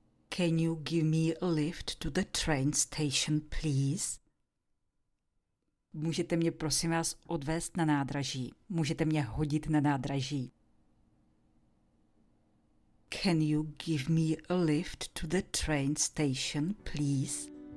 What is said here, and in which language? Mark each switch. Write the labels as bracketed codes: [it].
[en] Can you give me a lift to the train station, please? [cs] Můžete mě prosím vás odvést na nádraží? Můžete mě hodit na nádraží? [en] Can you give me a lift to the train station, please?